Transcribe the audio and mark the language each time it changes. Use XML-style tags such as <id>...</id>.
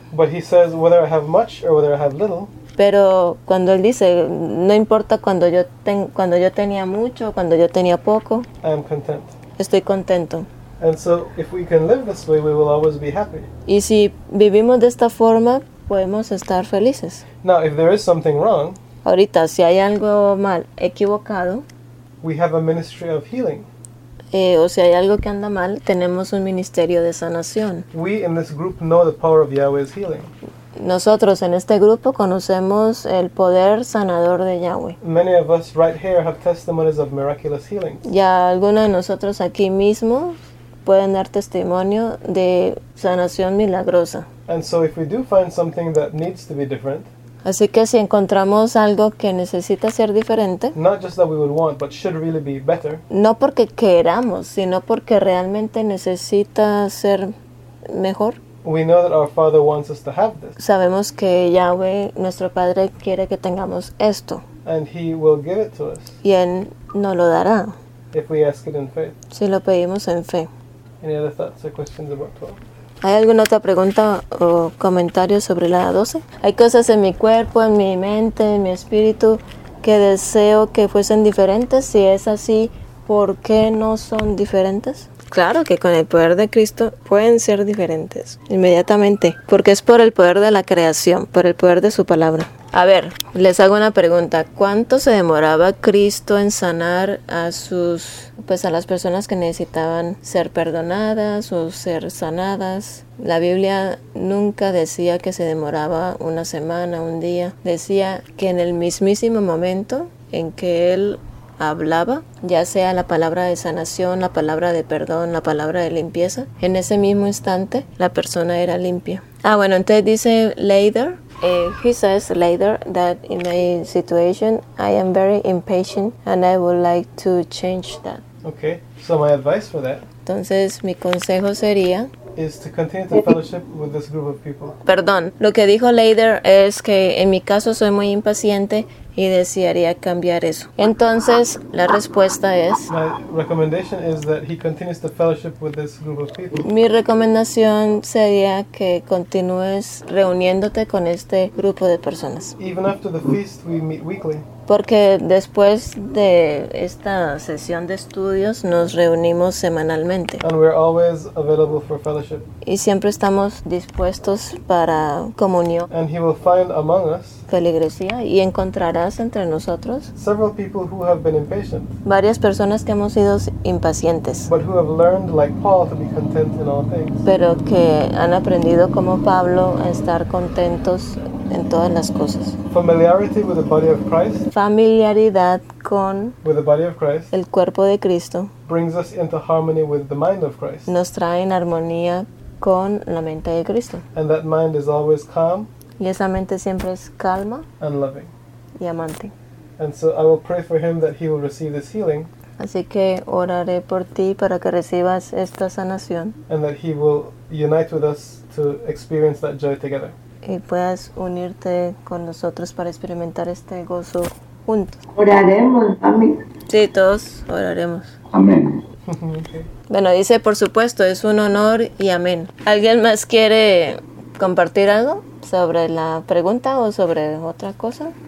<en>But he says whether I have much or whether I have little.</en> <es>Pero cuando él dice, no importa cuando yo tenía mucho o cuando yo tenía poco.</es> <en>I am content.</en> <es>Estoy contento.</es> <en>And so if we can live this way, we will always be happy.</en> <es>Y si vivimos de esta forma, podemos estar felices.</es> <en>Now, if there is something wrong,</en> <es>ahorita, si hay algo mal, equivocado,</es> <en>we have a ministry of healing.</en> <es>O si hay algo que anda mal, tenemos un ministerio de sanación.</es> <en>We in this group know the power of Yahweh's healing.</en> <es>Nosotros en este grupo conocemos el poder sanador de Yahweh.</es> <en>Many of us right here have testimonies of miraculous healings.</en> <es>Ya algunos de nosotros aquí mismo pueden dar testimonio de sanación milagrosa.</es> <en>And so if we do find something that needs to be different,</en> <es>así que si encontramos algo que necesita ser diferente,</es> <en>not just that we would want, but should really be better,</en> <es>no porque queramos, sino porque realmente necesita ser mejor.</es> <en>We know that our Father wants us to have this.</en> <es>Sabemos que Yahweh, nuestro Padre, quiere que tengamos esto.</es> <en>And He will give it to us.</en> <es>Y Él nos lo dará.</es> <en>If we ask it in faith.</en> <es>Si lo pedimos en fe.</es> <en>Any other thoughts or questions about 12?</en> <es>¿Hay alguna otra pregunta o comentario sobre la 12? Hay cosas en mi cuerpo, en mi mente, en mi espíritu, que deseo que fuesen diferentes. Si es así, ¿por qué no son diferentes? Claro que con el poder de Cristo pueden ser diferentes, inmediatamente, porque es por el poder de la creación, por el poder de su palabra. A ver, les hago una pregunta. ¿Cuánto se demoraba Cristo en sanar a sus, pues a las personas que necesitaban ser perdonadas o ser sanadas? La Biblia nunca decía que se demoraba una semana, un día. Decía que en el mismísimo momento en que Él hablaba, ya sea la palabra de sanación, la palabra de perdón, la palabra de limpieza, en ese mismo instante la persona era limpia. Ah, bueno, entonces dice</es> <en>later, he says later that in my situation I am very impatient and I would like to change that. Okay, so my advice for that.</en> <es>Entonces mi consejo sería</es> <en>is to continue to fellowship with this group of people.</en> <es>Perdón, lo que dijo later es que en mi caso soy muy impaciente y desearía cambiar eso. Entonces, la respuesta es</es> <en>my recommendation is that he continues to fellowship with this group of people.</en> <es>Mi recomendación sería que continúes reuniéndote con este grupo de personas.</es> <en>Even after the feast, we meet weekly.</en> <es>Porque después de esta sesión de estudios nos reunimos semanalmente.</es> <en>And we're always available for fellowship.</en> <es>Y siempre estamos dispuestos para comunión.</es> <en>And he will find among us</en> <es>feligresía y encontrarás entre nosotros</es> <en>several people who have been impatient,</en> <es>varias personas que hemos sido impacientes,</es> <en>but who have learned, like Paul, to be content in all things.</en> <es>Pero que han aprendido como Pablo a estar contentos en todas las cosas.</es> <en>Familiarity with the body of Christ,</en> <es>familiaridad con</es> <en>with the body of Christ,</en> <es>el cuerpo de Cristo</es> <en>brings us into harmony with the mind of Christ.</en> <es>Nos trae en armonía con la mente de Cristo.</es> <en>And that mind is always calm,</en> <es>y esa mente siempre es calma</es> <en>and loving,</en> <es>y amante.</es> <en>And so I will pray for him that he will receive this healing.</en> <es>Así que oraré por ti para que recibas esta sanación.</es> <en>And that he will unite with us to experience that joy together.</en> <es>Y puedas unirte con nosotros para experimentar este gozo juntos. Oraremos, amén. Sí, todos oraremos. Amén. Okay. Bueno, dice, por supuesto, es un honor y amén. ¿Alguien más quiere compartir algo sobre la pregunta o sobre otra cosa?</es>